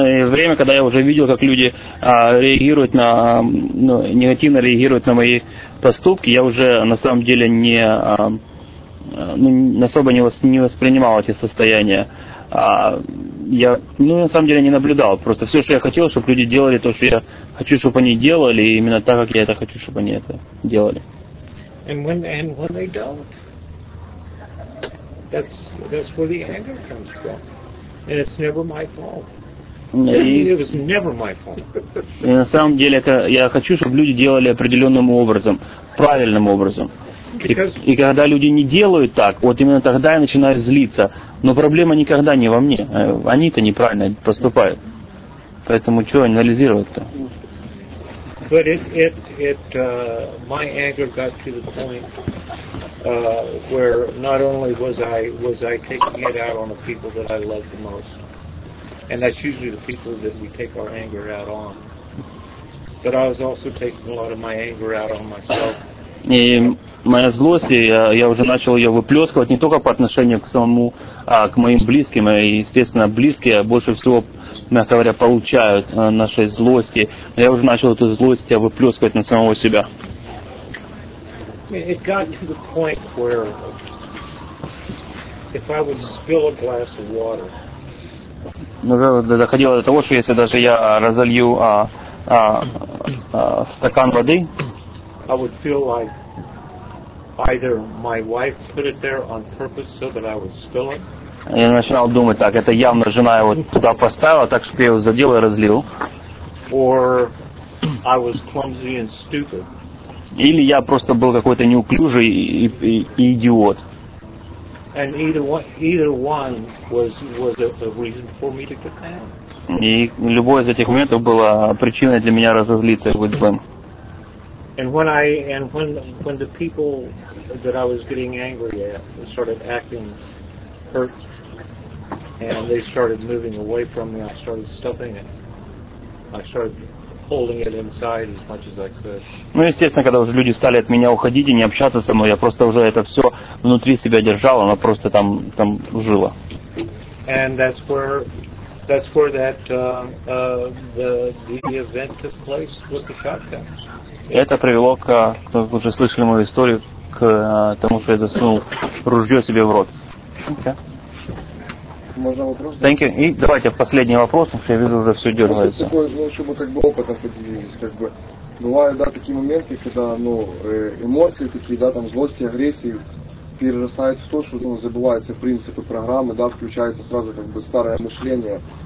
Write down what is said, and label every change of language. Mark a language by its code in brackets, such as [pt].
[ru] Время, когда я уже видел, как люди реагируют на, ну, негативно реагируют на мои поступки, я уже на самом деле не особо не воспринимал эти состояния. Я на самом деле не наблюдал. Просто все, что я хотел, чтобы люди делали то, что я хочу, чтобы они делали, и именно так, как я это хочу, чтобы они это делали. [en] And when they don't, that's where the anger comes from. And it's never my fault. It was never my fault. [ru] И на самом деле я хочу, чтобы люди делали определенным образом, правильным образом. И когда люди не делают так, вот именно тогда я начинаю злиться. Но проблема никогда не во мне. Они-то неправильно поступают. Поэтому что анализировать-то? [en] But my anger got to the point where not only was I taking it out on the people that I love the most, and that's usually the people that we take our anger out on, but I was also taking a lot of my anger out on myself. [ru] И моя злость, я уже начал ее выплескивать не только по отношению к самому, а к моим близким. И, естественно, близкие больше всего, мягко говоря, получают нашей злости. Я уже начал эту злость выплескивать на самого себя. [en] It got to the point where if I would spill a glass of water. [ru] Уже доходило до того, что если даже я разолью стакан воды, [en] I would feel like either my wife put it there on purpose so that I would spill it. [ru] Я начинал думать, так, это явно жена его туда поставила, так что я его задел и разлил. [en] Or I was clumsy and stupid. [ru] Или я просто был какой-то неуклюжий и идиот. [en] And either one was a reason for me to get mad. [ru] И любой из этих моментов было причиной для меня разозлиться и быть злым. [en] And when I and when the people that I was getting angry at started acting hurt and they started moving away from me, I started stuffing it. I started holding it inside as much as I could. [ru] Ну, естественно, когда уже люди стали от меня уходить и не общаться со мной, я просто уже это все внутри себя держал, оно просто там жило. [en] And that's where that the event took place with the shotgun. [ru] Это привело к, как вы уже слышали мою историю, к тому, что я засунул ружье себе в рот. Okay. Можно вопрос? [en] Thank you. [ru] И давайте последний вопрос, потому что я вижу, уже все дергается. Такое, ну, чтобы как бы опытом поделились, как бы. Бывают, да, такие моменты, когда, ну, эмоции такие, да, там, злости, агрессии перерастают в то, что, ну, забываются принципы программы, да, включается сразу, как бы, старое мышление.